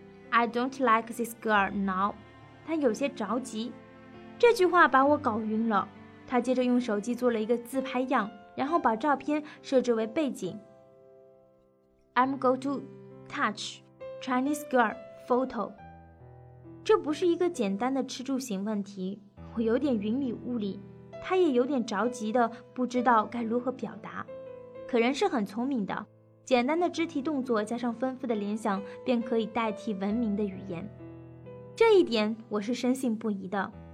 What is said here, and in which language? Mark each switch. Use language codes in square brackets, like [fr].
[en] I don't like this girl now. [zh] 他有些着急。这句话把我搞晕了。他接着用手机做了一个自拍样，然后把照片设置为背景。 [en] I'm going to touch Chinese girl photo. [zh] 这不是一个简单的吃住行问题，我有点云里雾里，他也有点着急的不知道该如何表达。可人是很聪明的，简单的肢体动作加上丰富的联想便可以代替文明的语言，这一点我是深信不疑的。